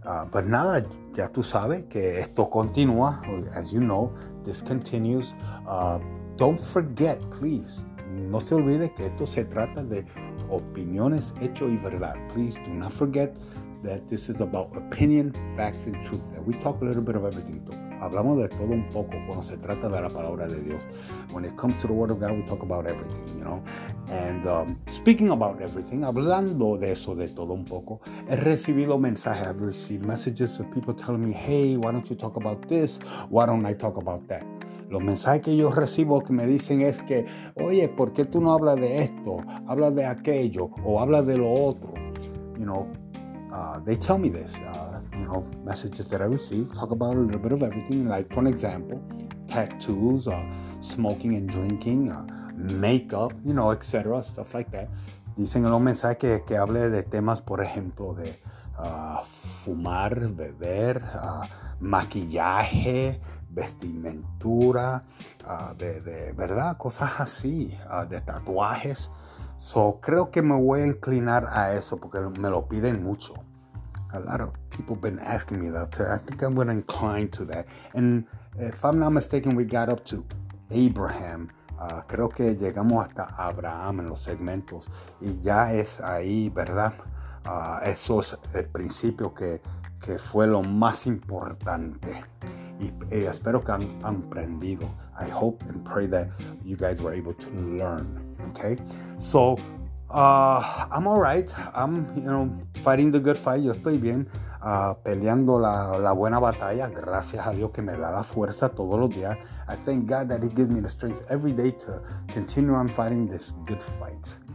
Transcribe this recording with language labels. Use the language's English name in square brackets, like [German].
[Spanish] Pues nada, ya tú sabes que esto continúa. [English] As you know, this continues. Don't forget, please. [Spanish] No se olvide que esto se trata de opiniones, hecho y verdad. [English] Please do not forget that this is about opinion, facts, and truth. And we talk a little bit of everything. [Spanish] Hablamos de todo un poco cuando se trata de la palabra de Dios. [English] When it comes to the word of God, we talk about everything, you know. And speaking about everything, [Spanish] hablando de eso de todo un poco, [English] he recibido mensajes, I've received messages of people telling me, hey, why don't you talk about this? Why don't I talk about that? [Spanish] Los mensajes que yo recibo que me dicen es que, oye, ¿por qué tú no hablas de esto? ¿Hablas de aquello? ¿O hablas de lo otro? [English] You know, they tell me this. You know, messages that I receive talk about a little bit of everything. Like, for example, tattoos, smoking and drinking, makeup, you know, etc. Stuff like that. [Spanish] Dicen en los mensajes que hable de temas, por ejemplo, de fumar, beber, maquillaje, vestimentura, de verdad, cosas así, de tatuajes. So, creo que me voy a inclinar a eso porque me lo piden mucho. [English] A lot of people been asking me that. So I think I'm going to incline to that. And if I'm not mistaken, we got up to Abraham. [Spanish] Creo que llegamos hasta Abraham en los segmentos. Y ya es ahí, ¿verdad? Eso es el principio que fue lo más importante. Y espero que han aprendido. [English] I hope and pray that you guys were able to learn. Okay? So, I'm all right. I'm, you know, fighting the good fight. [Spanish] Yo estoy bien peleando la buena batalla. Gracias a Dios que me da la fuerza todos los días. [English] I thank God that He gives me the strength every day to continue on fighting this good fight.